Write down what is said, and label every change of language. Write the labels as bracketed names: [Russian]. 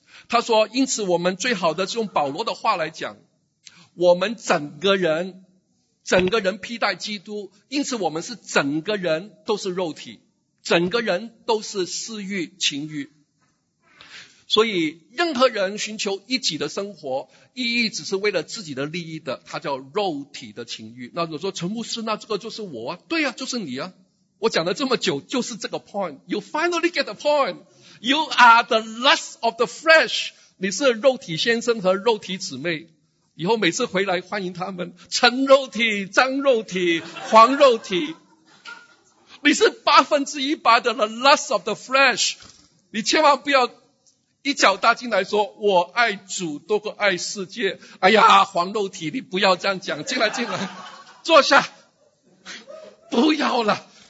[Chinese] 他说因此我们最好的是用保罗的话来讲，我们整个人披戴基督，因此我们是整个人都是肉体，整个人都是私欲情欲。所以任何人寻求一己的生活意义只是为了自己的利益的，他叫肉体的情欲。那我说陈牧师，那这个就是我啊。对啊，就是你啊，我讲了这么久就是这个 point。 [English] You finally get the point. You are the lust of the flesh. [Chinese] 你是肉体先生和肉体姊妹，以后每次回来欢迎他们，陈肉体、张肉体、黄肉体，你是八分之一八的 [English] the lust of the flesh. [Chinese] 你千万不要一脚踏进来说我爱主多过爱世界，哎呀黄肉体，你不要这样讲，进来进来坐下，不要了。